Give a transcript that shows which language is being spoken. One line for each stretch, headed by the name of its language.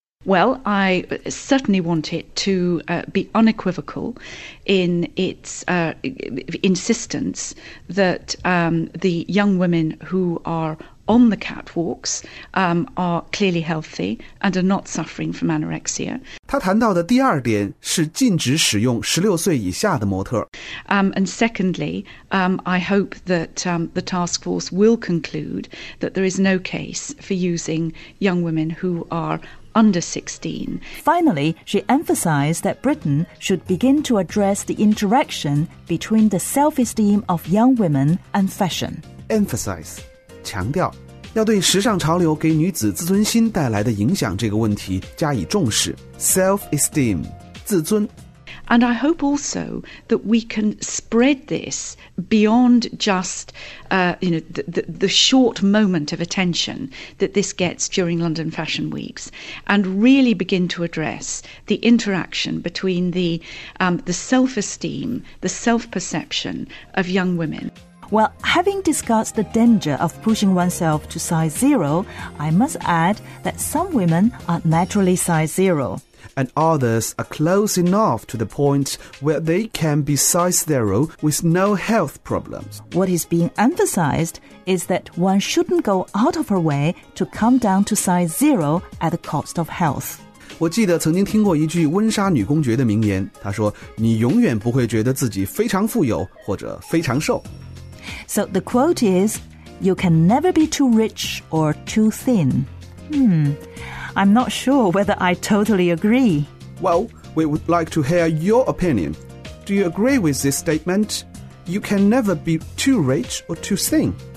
English: Well, I certainly want it to be unequivocal in its insistence that the young women who are on the catwalks are clearly healthy and are not suffering from anorexia.
Chinese: 他谈到的第二点是禁止使用16岁以下的模特。
English: And secondly, I hope that the task force will conclude that there is no case for using young women who are under 16. Finally, she emphasized that Britain should begin to address the interaction between the self-esteem of young women and fashion. Emphasize.
Chinese: 强调，要对时尚潮流给女子自尊心带来的影响这个问题加以重视。
English: Self-esteem, 自尊。 And I hope also that we can spread this beyond just, the short moment of attention that this gets during London Fashion Weeks, and really begin to address the interaction between the self-esteem, the self-perception of young women. Well, having discussed the danger of pushing oneself to size zero, I must add that some women are naturally size zero. And others are close enough to the point where they can be size zero with no health problems. What is being emphasized is that one shouldn't go out of her way to come down to size zero at the cost of health.
Chinese: 我记得曾经听过一句温莎女公爵的名言，她说，你永远不会觉得自己非常富有或者非常瘦。
English: So the quote is, you can never be too rich or too thin. I'm not sure whether I totally agree. Well, we would like to hear your opinion. Do you agree with this statement? You can never be too rich or too thin.